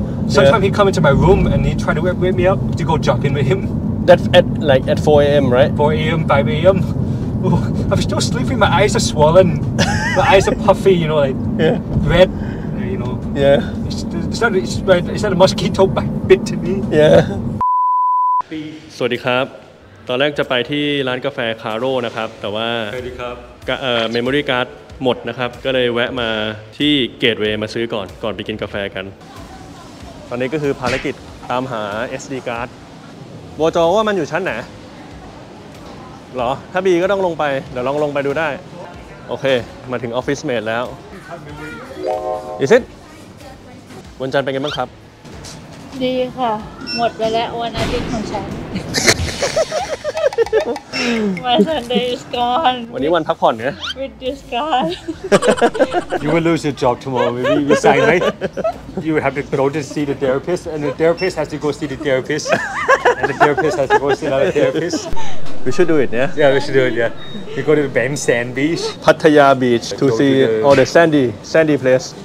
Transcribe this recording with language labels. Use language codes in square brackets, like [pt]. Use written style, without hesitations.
[en] Sometimes yeah. He come into my room and he try to wake me up to go jogging with him. That's at 4 a.m, right? 4 a.m, 5 a.m. I'm still sleeping, my eyes are swollen. My eyes are puffy, you know, like yeah. Red, you know. Yeah. It's, Is that a mosquito bit to me? Yeah. [th] สวัสดีครับตอนแรกจะไปที่ร้านกาแฟคาโร่นะครับแต่ว่า สวัสดีครับ memory card หมดนะครับก็เลยแวะมาที่เกตเวย์มาซื้อก่อนไปกินกาแฟกันตอนนี้ก็คือภารกิจตามหา SD card บัวจอว่ามันอยู่ชั้นไหนหรอถ้าบีก็ต้องลงไปเดี๋ยวลองลงไปดูได้โอเคมาถึงออฟฟิศเมทแล้วอีซิตวันจันทร์เป็นไงบ้างครับ ดีค่ะหมดไปแล้ววันอาทิตย์ของฉัน [en] My Sunday is gone. [th] วันนี้วันพักผ่อนเนี่ย [en] With this guy. You will lose your job tomorrow. Maybe you sign, right? You have to go to see the therapist, and the therapist has to go see the therapist, and the therapist has to go see another therapist. We should do it, yeah. Yeah, we should do it. Yeah. We go to the Bam Sand Beach, Pattaya Beach, to see all the sandy place.